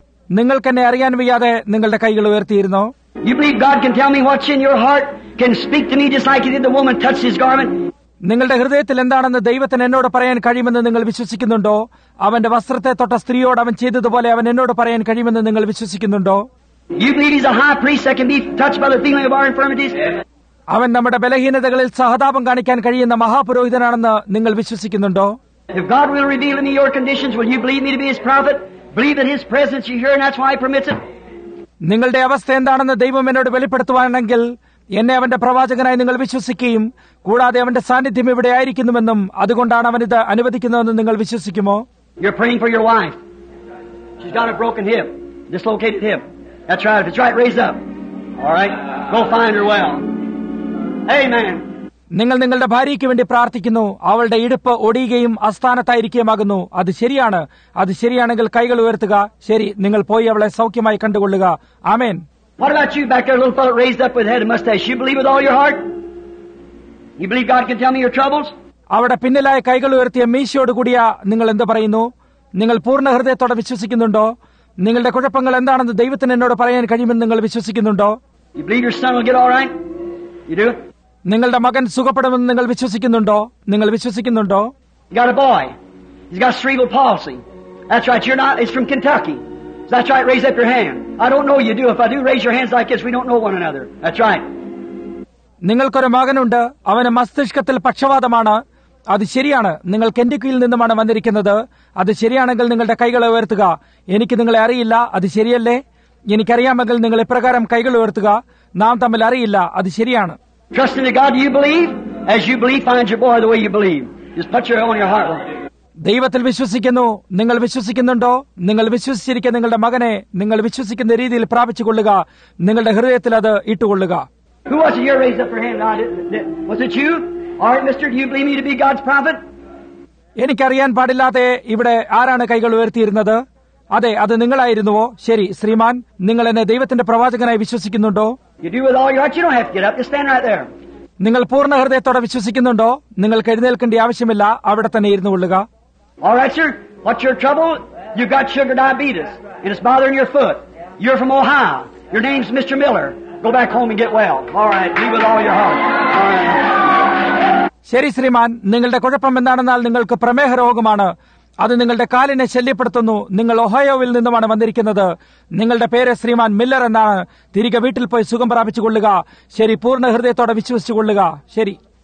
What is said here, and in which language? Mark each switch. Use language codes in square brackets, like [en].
[ml] നിങ്ങൾക്കെന്നെ അറിയാൻ വയ്യാതെ നിങ്ങളുടെ കൈകൾ ഉയർത്തിയിരുന്നോ? [en] You believe God can tell me what's in your heart? Can speak to me just like He did the woman touched His garment? [ml] നിങ്ങളുടെ ഹൃദയത്തിൽ എന്താണെന്ന് ദൈവത്തിന് എന്നോട് പറയാൻ കഴിയുമെന്ന് നിങ്ങൾ വിശ്വസിക്കുന്നുണ്ടോ? അവന്റെ വസ്ത്രത്തെ തൊട്ട സ്ത്രീയോട് അവൻ ചെയ്തതുപോലെ അവൻ എന്നോട് പറയാൻ കഴിയുമെന്ന് നിങ്ങൾ വിശ്വസിക്കുന്നുണ്ടോ? [en] You believe He's a high priest that can be touched by the feeling of our infirmities? [ml] അവൻ നമ്മുടെ ബലഹീനതകളിൽ സഹതാപം കാണിക്കാൻ കഴിയുന്ന മഹാപുരോഹിതനാണെന്ന് നിങ്ങൾ വിശ്വസിക്കുന്നുണ്ടോ? [en] If God will reveal to me your conditions, will you believe me to be his prophet? Believe that his presence is here and that's why he permits it? [ml] നിങ്ങളുടെ അവസ്ഥ എന്താണെന്ന് ദൈവം എന്നോട് വെളിപ്പെടുത്തുവാനെങ്കിൽ എന്നെ അവന്റെ പ്രവാചകനായി നിങ്ങൾ വിശ്വസിക്കുകയും കൂടാതെ അവന്റെ സാന്നിധ്യം ഇവിടെ ആയിരിക്കുന്നുവെന്നും അതുകൊണ്ടാണ് അവൻ ഇത് അനുവദിക്കുന്നതെന്ന് നിങ്ങൾ വിശ്വസിക്കുമോ? [en] You're praying for your wife. She's got a broken hip, dislocated hip. That's right. If it's right, raise up. All right. Go find her well. Amen. [ml] നിങ്ങൾ നിങ്ങളുടെ ഭാര്യയ്ക്ക് വേണ്ടി പ്രാർത്ഥിക്കുന്നു. അവളുടെ ഇടുപ്പ് ഒടിയുകയും അസ്ഥാനത്തായിരിക്കുകയുമാകുന്നു. അത് ശരിയാണ്. അത് ശരിയാണെങ്കിൽ കൈകൾ ഉയർത്തുക. ശരി, നിങ്ങൾ പോയി അവളെ സൗഖ്യമായി കണ്ടുകൊള്ളുക. ആമേൻ. [en] What about you back there, little fellow, raised up with head and mustache? You believe with all your heart? You believe God can tell me your troubles? [ml] അവരുടെ പിന്നിലായ കൈകൾ ഉയർത്തിയ മീശയോട് കൂടിയ നിങ്ങൾ എന്ത് പറയുന്നു? നിങ്ങൾ പൂർണ്ണ ഹൃദയത്തോടെ വിശ്വസിക്കുന്നുണ്ടോ? നിങ്ങളുടെ കുഴപ്പങ്ങൾ എന്താണെന്ന് ദൈവത്തിന് എന്നോട് പറയാൻ കഴിയുമെന്ന് നിങ്ങൾ വിശ്വസിക്കുന്നുണ്ടോ? [en] You believe your son will get all right? You do? [ml] നിങ്ങളുടെ മകൻ സുഖപ്പെടുമെന്ന് നിങ്ങൾ വിശ്വസിക്കുന്നുണ്ടോ? നിങ്ങൾ വിശ്വസിക്കുന്നുണ്ടോ? [en] He got a boy. He's got cerebral palsy. That's right. You're not. It's from Kentucky. That's right. Raise up your hand. I don't know you do. If I do, raise your hands like this. We don't know one another. That's right. [ml] നിങ്ങൾക്കൊരു മകനുണ്ട്. അവന് മസ്തിഷ്കത്തിൽ പക്ഷവാതമാണ്. അത് ശരിയാണ്. നിങ്ങൾ കെന്റക്കിയിൽ നിന്നുമാണ് വന്നിരിക്കുന്നത്. അത് ശരിയാണെങ്കിൽ നിങ്ങളുടെ കൈകൾ ഉയർത്തുക. എനിക്ക് നിങ്ങളെ അറിയില്ല. അത് ശരിയല്ലേ? എനിക്കറിയാമെങ്കിൽ നിങ്ങൾ ഇപ്രകാരം കൈകൾ ഉയർത്തുക. നാം തമ്മിൽ അറിയില്ല. അത് ശരിയാണ്. [en] Trust in God. You believe? As you believe, find your boy the way you believe. Just put your hand on your heart. [ml] ദൈവത്തിൽ വിശ്വസിക്കുന്നു. നിങ്ങൾ വിശ്വസിക്കുന്നുണ്ടോ? നിങ്ങൾ വിശ്വസിച്ചിരിക്കുന്ന നിങ്ങളുടെ മകനെ നിങ്ങൾ വിശ്വസിക്കുന്ന രീതിയിൽ പ്രാപിച്ചുകൊള്ളുക. നിങ്ങളുടെ ഹൃദയത്തിൽ അത് ഇട്ടുകൊള്ളുക. [en] Who was it? You raised up your hand. Was it you? All right, mister, do you believe me to be God's prophet? [ml] എനിക്കറിയാൻ പാടില്ലാതെ ഇവിടെ ആരാണ് കൈകൾ ഉയർത്തിയിരുന്നത്? അതെ, അത് നിങ്ങളായിരുന്നുവോ? ശരി, ശ്രീമാൻ, നിങ്ങൾ എന്നെ ദൈവത്തിന്റെ പ്രവാചകനായി വിശ്വസിക്കുന്നുണ്ടോ? [en] You do with all your heart. You don't have to get up. Just stand right there. [ml] നിങ്ങൾ പൂർണ്ണ ഹൃദയത്തോടെ വിശ്വസിക്കുന്നുണ്ടോ? നിങ്ങൾക്ക് എഴുന്നേൽക്കേണ്ട ആവശ്യമില്ല. അവിടെ തന്നെ ഇരുന്നു കൊള്ളുക. [en] All right, sir. What's your trouble? You've got sugar diabetes. And it's bothering your foot. You're from Ohio. Your name's Mr. Miller. Go back home and get well. All right. Be with all your heart. All right. [ml] ശരി, ശ്രീമാൻ, നിങ്ങളുടെ കുഴപ്പം എന്താണെന്നാൽ നിങ്ങൾക്ക് പ്രമേഹ രോഗമാണ്. അത് നിങ്ങളുടെ കാലിനെ ശല്യപ്പെടുത്തുന്നു. നിങ്ങൾ ഒഹയോവിൽ നിന്നുമാണ് വന്നിരിക്കുന്നത്. നിങ്ങളുടെ പേര് ശ്രീമാൻ മില്ലർ എന്നാണ്. തിരികെ വീട്ടിൽ പോയി സുഖം പ്രാപിച്ചുകൊള്ളുക. ശരി, പൂർണ്ണ ഹൃദയത്തോടെ വിശ്വസിച്ചുകൊള്ളുക. ശരി.